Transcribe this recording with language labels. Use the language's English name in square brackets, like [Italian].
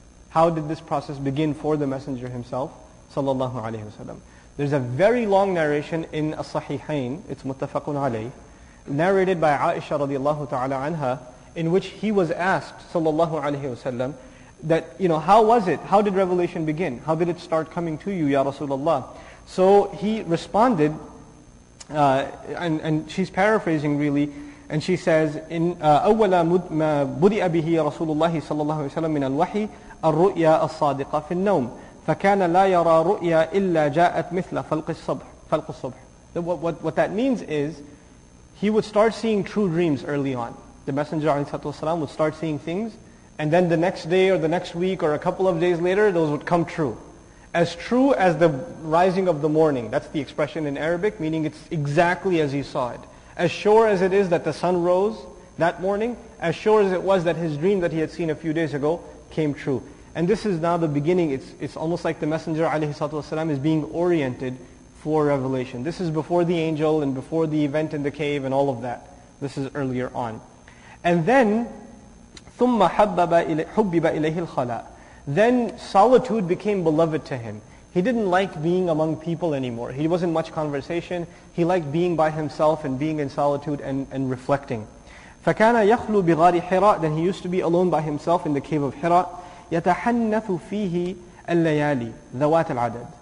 [English] How did this process begin for the Messenger himself, sallallahu alayhi wasallam? There's a very long narration in As-Sahihain, it's Muttafaqun Alayh, narrated by Aisha radiallahu ta'ala anha, in which he was asked, sallallahu alayhi wasallam, that, you know, how was it? How did revelation begin? How did it start coming to you, Ya Rasulullah? So he responded, and she's paraphrasing really, and she says, in [Arabic] أَوَّلَ مَا بُدِئَ بِهِ رَسُولُ اللَّهِ صَلَى اللَّهُ عَلَيْهِ وَسَلَمْ مِنَ الْوَحِي الرُّؤْيَا الصَّادِقَ فِي النَّوْمِ فَكَانَ لَا يَرَى رُؤْيَا إِلَّا جَاءَتْ مِثْلَ فَلْقِ الصُّبْحِ. [English] What that means is, he would start seeing true dreams early on. The Messenger ﷺ would start seeing things, and then the next day or the next week or a couple of days later, those would come true as the rising of the morning. That's the expression in Arabic, meaning it's exactly as he saw it. As sure as it is that the sun rose that morning, as sure as it was that his dream that he had seen a few days ago came true. And this is now the beginning. It's almost like the Messenger ﷺ is being oriented for revelation. This is before the angel and before the event in the cave and all of that. This is earlier on. And then, [Arabic] ثُمَّ حُبِّبَ إِلَيْهِ الْخَلَاءِ. [English] Then solitude became beloved to him. He didn't like being among people anymore. He wasn't much conversation. He liked being by himself and being in solitude and reflecting. [Arabic] فَكَانَ يَخْلُو بِغَارِ حِرَىٰ. [English] Then he used to be alone by himself in the cave of Hira. [Arabic] يَتَحَنَّثُ فِيهِ الْلَيَالِ ذَوَاتِ الْعَدَدِ.